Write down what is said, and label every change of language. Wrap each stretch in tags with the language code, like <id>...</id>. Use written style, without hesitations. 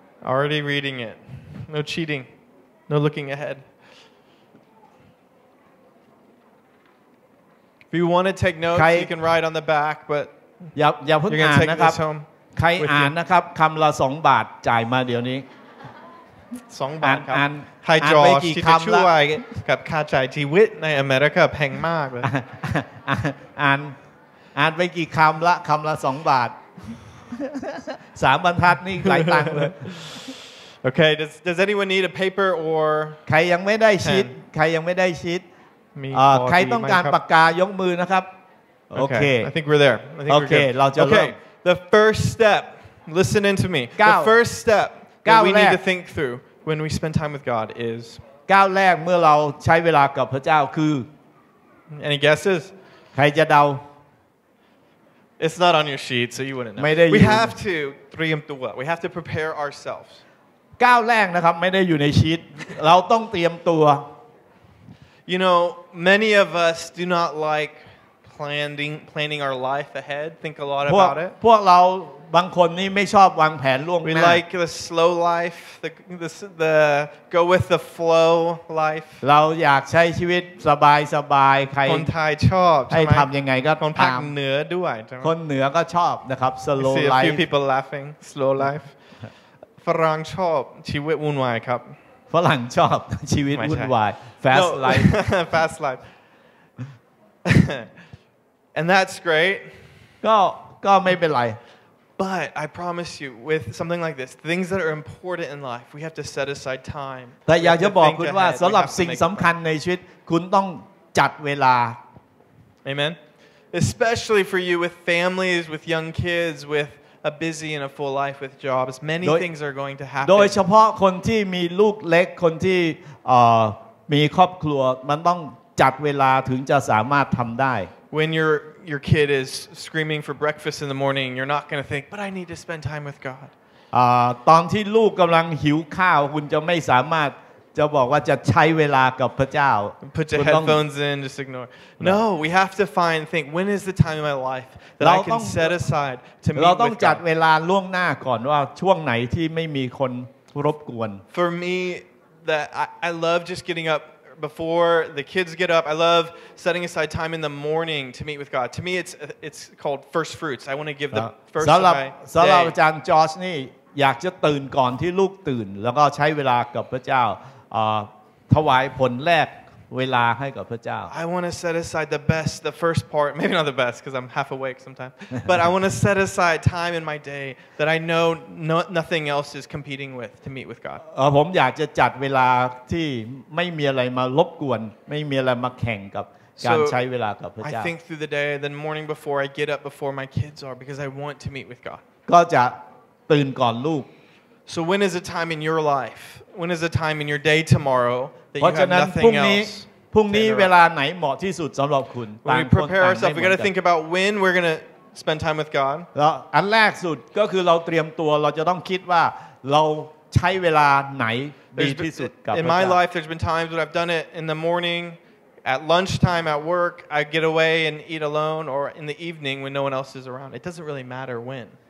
<en>Already reading it No cheating No looking ahead If you want to take notes you can write on the back but</en> <th>อย่าเพิ่งอ่านนะครับใครอ่านนะครับคำละ2บาทจ่ายมาเดี๋ยวนี้2บาทครับให้จอที่จะช่วยกับค่าใช้ชีวิตในอเมริกาแพงมากเลย อ่านไปกี่คำละคำละ2บาท3บรรทัดนี่หลายตังค์เลย</th> <en>Okay does anyone need a paper or</en> <th>ใครยังไม่ได้ชีทใครยังไม่ได้ชีทใครต้องการปากกายกมือนะครับโอเค</th> <en>I think we're there I think okay, we're good Okay the first step listen into me the first step that we need to think through when we spend time with God is</en> <th>ก้าวแรกเมื่อเราใช้เวลากับพระเจ้าคือ</th> <en>Any guesses</en> <th>ใครจะเดา</th> <en>It's not on your sheet so you wouldn't know We have to</en> <th>เตรียมตัว</th> <en>We have to prepare ourselves</en> <th>ก้าวแรกนะครับไม่ได้อยู่ในชีทเราต้องเตรียมตัว</th> <en>You know, many of us do not like planning our life ahead. Think a lot about it.</en> <th>พวกเราบางคนนี่ไม่ชอบวางแผนล่วงหน้า</th> <en>We like the slow life, the go with the flow life.</en> <th>เราอยากใช้ชีวิตสบายสบายใคร คนไทยชอบใช่ไหม ให้ทำยังไงก็ตาม คนภาคเหนือด้วย คนเหนือก็ชอบนะครับ</th> <en>slow life. See a few people laughing. Slow life.</en> <th>ฝรั่งชอบชีวิตวุ่นวายครับ ฝรั่งชอบชีวิตวุ่นวาย</th> <en>Fast life. Fast life. And that's great.</en> <th>ก็ไม่เป็นไร</th> <en>But I promise you, with something like this, things that are important in life, we have to set aside time.</en> <th>แต่อยากจะบอกคุณว่าสำหรับสิ่งสำคัญในชีวิตคุณต้องจัดเวลา</th> <en>Amen. Especially for you with families, with young kids, with a busy and a full life with jobs. Many things are going to happen.</en> <th>โดยเฉพาะคนที่มีลูกเล็กคนที่มีครอบครัวมันต้องจัดเวลาถึงจะสามารถทำได้</th> <en>When your kid is screaming for breakfast in the morning you're not going to think but I need to spend time with God</en> <th>ตอนที่ลูกกำลังหิวข้าวคุณจะไม่สามารถจะบอกว่าจะใช้เวลากับพระเจ้า</th> <en>Put your headphones in just ignore No we have to find think when is the time in my life that I can set aside to meet</en> <th>เราต้องจัดเวลาล่วงหน้าก่อนว่าช่วงไหนที่ไม่มีคนรบกวน</th> <en>For meThat I love just getting up before the kids get up. I love setting aside time in the morning to meet with God. To me, it's called first fruits. I want to give the first of my day.</en> <th>สำหรับอาจารย์จอร์จนี่อยากจะตื่นก่อนที่ลูกตื่นแล้วก็ใช้เวลากับพระเจ้าถวายผลแรกเวลาให้กับพระเจ้า</th> <en>I want to set aside the best, the first part. Maybe not the best because I'm half awake sometimes. But I want to set aside time in my day that I know nothing else is competing with to meet with God.</en> <th>ผมอยากจะจัดเวลาที่ไม่มีอะไรมารบกวนไม่มีอะไรมาแข่งกับการใช้เวลากับพระเจ้า</th> <en>I think through the day, then morning before I get up before my kids are because I want to meet with God.</en> <th>ก็จะตื่นก่อนลูก</th> <en>So when is a time in your life? When is a time in your day tomorrow?</en> <th>เพราะฉะนั้ นพรุ่งนี้เวลาไหนเหมาะที่สุดสำหรับคุณ ต่างคนต่างไม่เหมือนกัน</th> <en>We got to think about when we're going to spend time with God</en> <th>อันแรกสุดก็คือเราเตรียมตัวเราจะต้องคิดว่าเราใช้เวลาไหนดีที่สุดกับ</th> <en>In my life there's been times when I've done it in the morning at lunchtime at work I get away and eat alone or in the evening when no one else is around it doesn't really matter when</en>